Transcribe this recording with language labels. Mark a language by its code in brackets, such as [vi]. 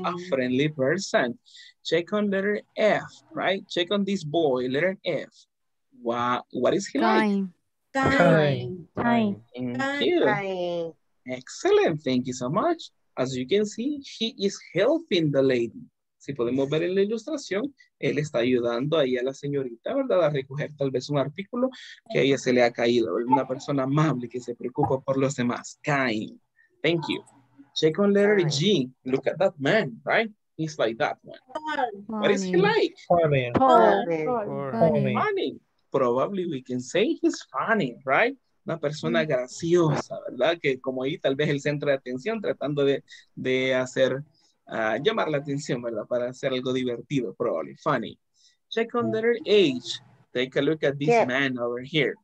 [en] A friendly person. Check on letter F, right? Check on this boy, letter F. What is he kind. Like? Kind. Thank you. Kind. Excellent. Thank you so much. As you can see, he is helping the lady. [es] si podemos ver en la ilustración, él está ayudando ahí a la señorita, ¿verdad? A recoger tal vez un artículo que a ella se le ha caído. Una persona amable que se preocupa por los demás. [en] Kind. Thank you. Check on letter G. Look at that man, right? He's like that one. Funny. What is he like? Funny. Probably we can say he's funny, right? Una persona graciosa, ¿verdad? [es] Que como ahí tal vez el centro de atención tratando de hacer, llamar la atención, ¿verdad? Para hacer algo divertido, [en] probably funny. Check on letter H. Take a look at this man over here.